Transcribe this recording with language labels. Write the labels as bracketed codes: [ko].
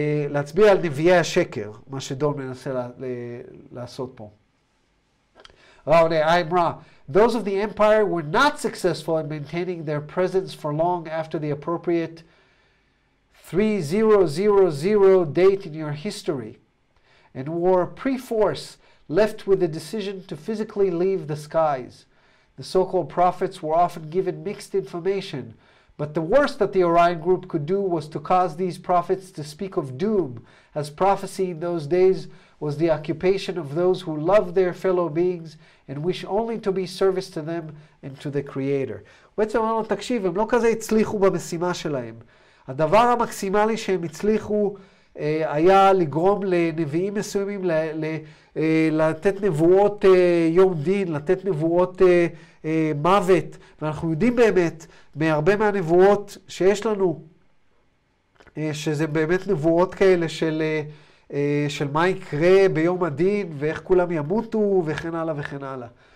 [he] להצביע על נביאי השקר, מה שדון מנסה לעשות פה. [en] I'm wrong. Those of the empire were not successful in maintaining their presence for long after the appropriate 3000 date in your history, and were perforce left with the decision to physically leave the skies. The so-called prophets were often given mixed information, but the worst that the Orion group could do was to cause these prophets to speak of doom, as prophecy in those days was the occupation of those who love their fellow beings and wish only to be service to them and to the creator. [he] בעצם אמרנו, תקשיב, הם לא כזה הצליחו במשימה שלהם. הדבר המקסימלי שהם הצליחו היה לגרום לנביאים מסוימים לתת נבואות יום דין, לתת נבואות מוות, ואנחנו יודעים באמת מהרבה מהנבואות שיש לנו, שזה באמת נבואות כאלה של של מה יקרה ביום הדין ואיך כולם ימותו וכן הלאה וכן הלאה.